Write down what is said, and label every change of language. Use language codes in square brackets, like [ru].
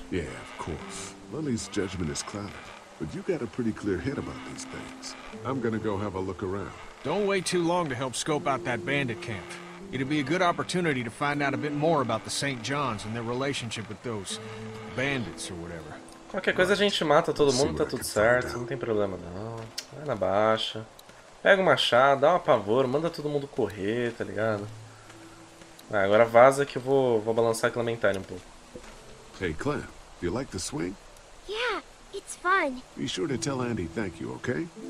[en] Yeah, of course. Lily's judgment is clouded, but you got a pretty clear head about these things. I'm gonna go have a look around. Don't wait too long to help scope out that bandit camp. It'd be a good opportunity to find out a bit more about the St. John's and their relationship with those bandits or whatever. [pt] Qualquer coisa a gente mata todo mundo, tá tudo certo, não tem problema não. Vai na baixa. Pega o machado, dá um apavoro, manda todo mundo correr, tá ligado? Ah, agora vaza que eu vou balançar a Clementine um pouco. [en] Hey, Clem, do you like the swing? Yeah, it's fun. Be sure to tell Andy thank you, okay?